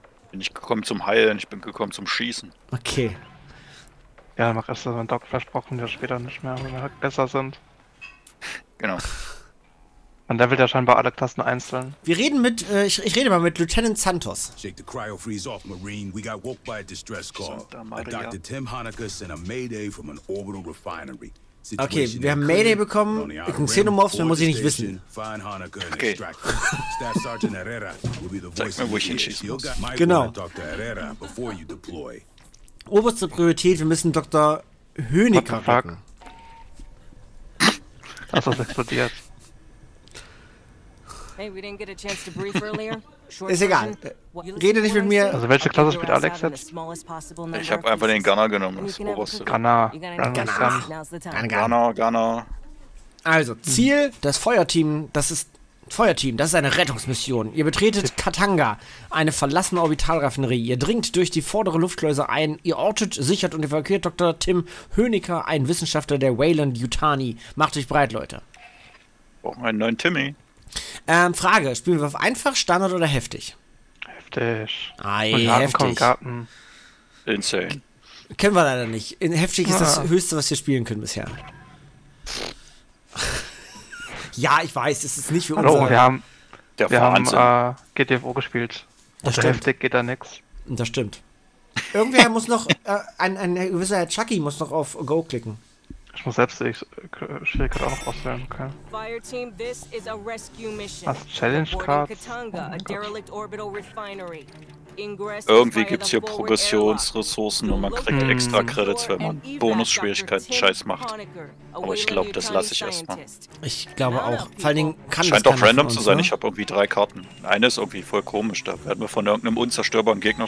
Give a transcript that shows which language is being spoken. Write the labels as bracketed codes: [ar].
[de] Bin ich gekommen zum Heilen, ich bin gekommen zum Schießen. Okay. Ja, dann mach erst einen Doc versprochen, der später nicht mehr, wenn wir besser sind. Genau. Man levelt ja scheinbar alle Klassen einzeln. Wir reden mit, ich rede mal mit Lieutenant Santos. [en] Shake the cryo freeze off, Marine. We got woke by a distress call. Dr. Tim Honecker sent a Mayday from an orbital refinery. [de] Okay, wir haben Mayday bekommen. Ich bin Xenomorphs, mehr muss ich nicht wissen. Okay. Zeig mir, wo ich hinschießen muss. Genau. [en] Dr. Herrera, before you deploy. [de] Oberste Priorität, wir müssen Dr. Hönecker packen. Das ist explodiert. [en] Hey, we didn't get a chance to brief earlier. [de] Short ist egal. Rede nicht mit mir. Also welche Klasse spielt Alex jetzt? Ich hab einfach den Gunner genommen, das oberste. Gunner. Also, Ziel, das Feuerteam, das ist Feuerteam, das ist eine Rettungsmission. Ihr betretet Katanga, eine verlassene Orbitalraffinerie. Ihr dringt durch die vordere Luftschleuse ein. Ihr ortet, sichert und evakuiert Dr. Tim Hönecker, ein Wissenschaftler der Weyland-Yutani. Macht euch bereit, Leute. Brauchen wir einen neuen Timmy. Frage, spielen wir auf einfach, Standard oder heftig? Heftig. Ei, heftig. Und Garten. Insane. Kennen wir leider nicht. Heftig ist das höchste, was wir spielen können bisher. Ja, ich weiß, es ist nicht für uns. Hallo, wir haben GTFO gespielt. Das heftig geht da nix. Das stimmt. Irgendwer muss noch, ein gewisser Chucky muss noch auf Go klicken. Ich muss selbst das Schild auch noch auswählen, okay. [en] Fireteam, this is a rescue mission. Was, Challenge Cards? Katanga, a derelict orbital refinery. [de] Irgendwie gibt's hier Progressionsressourcen und man kriegt extra Credits, wenn man Bonus-Schwierigkeiten-Scheiß macht. Aber ich glaube, das lasse ich erstmal. Ich glaube auch. Vor allen Dingen kann scheint doch random zu sein, ne? Ich habe irgendwie 3 Karten. Eine ist irgendwie voll komisch, da werden wir von irgendeinem unzerstörbaren Gegner